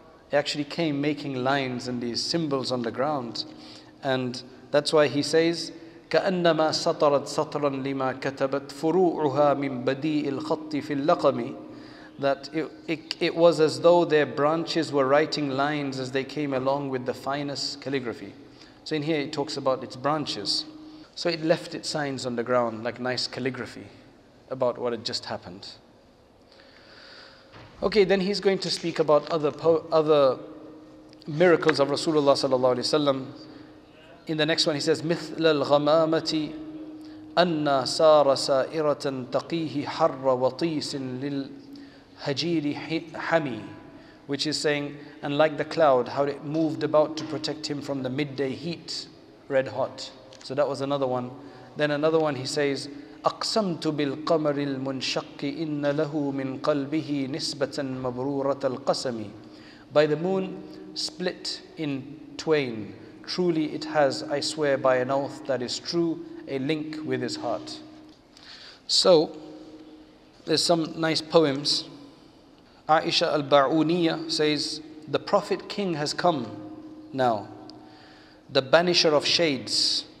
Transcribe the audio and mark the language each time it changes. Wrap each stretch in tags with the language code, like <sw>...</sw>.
<en>It actually came making lines and these symbols on the ground. And that's why he says,</en> <ar>كَأَنَّمَا سَطَرَتْ سَطْرًا لِمَا كَتَبَتْ فُرُوعُهَا مِنْ بَدِيءِ الْخَطِّ فِي اللَّقَمِ.</ar> <en>That it was as though their branches were writing lines as they came along with the finest calligraphy. So in here it talks about its branches. So it left its signs on the ground, like nice calligraphy, about what had just happened. Okay, then he's going to speak about other miracles of Rasulullah sallallahu alaihi wasallam. In the next one he says,</en> <ar>مِثْلَ الْغَمَامَةِ أَنَّا سَارَ سَائِرَةً تَقِيهِ حَرَّ وَطِيسٍ لِلْهَجِيرِ حَمِي.</ar> <en>Which is saying, and like the cloud, how it moved about to protect him from the midday heat, red hot. So that was another one. Then another one he says,</en> <ar>أَقْسَمْتُ بِالْقَمَرِ الْمُنْشَقِّ إِنَّ لَهُ مِنْ قَلْبِهِ نِسْبَةً مَبْرُورَةَ الْقَسَمِ.</ar> <en>By the moon split in twain, truly it has, I swear by an oath that is true, a link with his heart. So, there's some nice poems. Aisha al-Ba'uniyya says, the Prophet King has come now, the banisher of shades.</en>